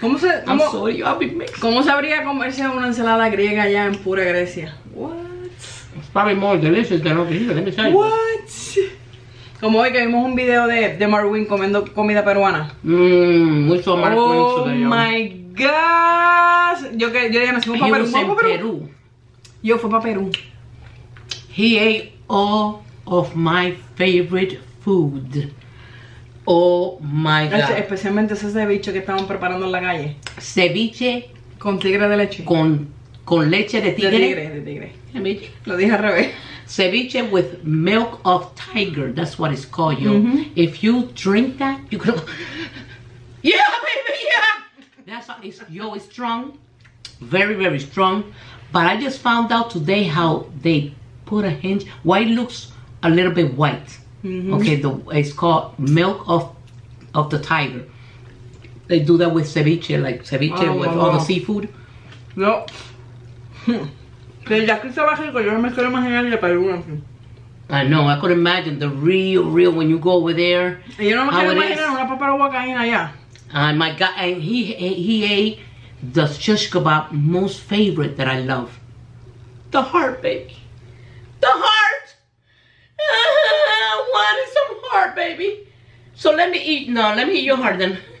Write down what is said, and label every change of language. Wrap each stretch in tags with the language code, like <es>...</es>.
<es>¿Cómo sabría comerse una ensalada griega allá en pura Grecia?</es> <en>What? It's probably more delicious than over here, let me tell you. What?</en> <es>Como hoy que vimos un video de Marwin comiendo comida peruana. Mucho Marwin.</es> <en>Oh, my gosh.</en> <es>Yo dije, me fui para Perú. Yo fui para Perú.</es> <en>He ate all of my favorite food. Oh my god.</en> <es>Especialmente ese ceviche que estaban preparando en la calle. Ceviche. Con tigre de leche. Con leche de tigre. De tigre. Lo dije al revés.</es> <en>Ceviche with milk of tiger. That's what it's called, yo. Mm-hmm. If you drink that, you could. Yeah, baby, yeah. It's strong. Very, very strong. But I just found out today how they put a hint. Why it looks a little bit white. Mm-hmm. Okay, it's called milk of the tiger. They do that with ceviche, like ceviche with all the seafood. No.</en> <es>Pero ya que estaba rico, yo me quiero imaginar de Perú.</es> <en>I know, I could imagine the real, real when you go over there.</en> <es>Yo no me quiero imaginar una papa de guacamole allá.</es> <en>Oh my god, and he ate the shish kebab, most favorite that I love. The heart, baby. The heart! I wanted some heart, baby. So let me eat. No, let me eat your heart then.</en>